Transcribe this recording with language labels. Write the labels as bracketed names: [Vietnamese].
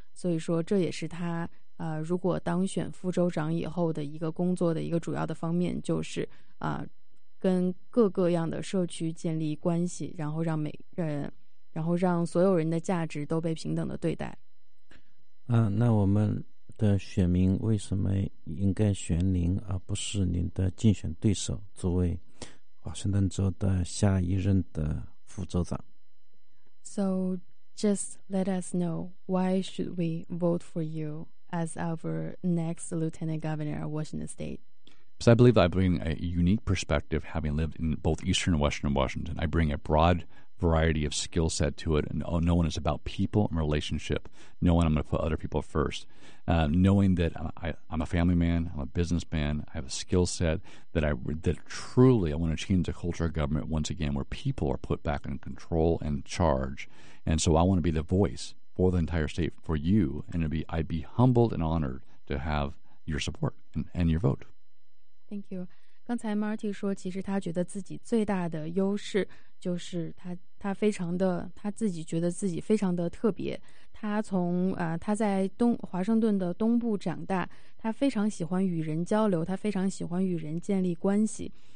[Chinese] 所以说这也是他如果当选副州长以后的一个工作的一个主要的方面，就是跟各个样的社区建立关系，然后让每人，然后让所有人的价值都被平等的对待。那我们的选民为什么应该选您而不是您的竞选对手作为华盛顿州的下一任的副州长？ [English] So just let us know, why should we vote for you as our next Lieutenant Governor of Washington State? So I believe I bring a unique perspective, having lived in both Eastern and Western Washington. I bring a broad variety of skill set to it. And knowing it's about people and relationship, knowing I'm going to put other people first, knowing that I'm a family man, I'm a businessman, I have a skill set that truly I want to change the culture of government once again, where people are put back in control and charge. And so I want to be the voice for the entire state for you. And I'd be humbled and honored to have your support and your vote. Thank you. [Chinese] 刚才 Marty 说，其实他觉得自己最大的优势就是他自己觉得自己非常的特别。他从他在华盛顿的东部长大，他非常喜欢与人交流，他非常喜欢与人建立关系。